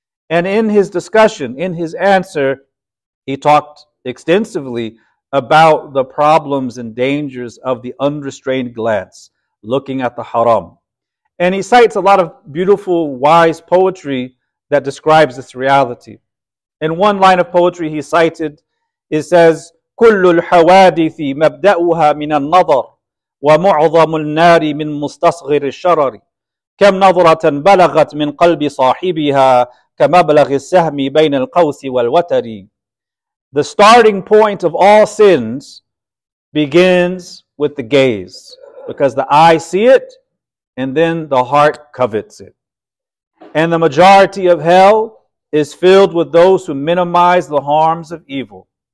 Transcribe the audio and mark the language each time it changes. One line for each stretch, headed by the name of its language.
English: And in his discussion, in his answer, he talked extensively about the problems and dangers of the unrestrained glance, looking at the haram. And he cites a lot of beautiful, wise poetry that describes this reality. In one line of poetry he cited, it says,
Arabic: كُلُّ الْحَوَادِثِ مَبْدَأُهَا مِنَ النَّظَرِ وَمُعْظَمُ النَّارِ مِنْ مُسْتَصْغِرِ الشَّرَرِ كَمْ نَظْرَةً بَلَغَتْ مِنْ قَلْبِ صَاحِبِهَا كَمَبْلَغِ السَّهْمِ بَيْنَ الْقَوْسِ وَالْوَتَرِ.
English: The starting point of all sins begins with the gaze, because the eye see it, and then the heart covets it. And the majority of hell is filled with those who minimize the harms of evil.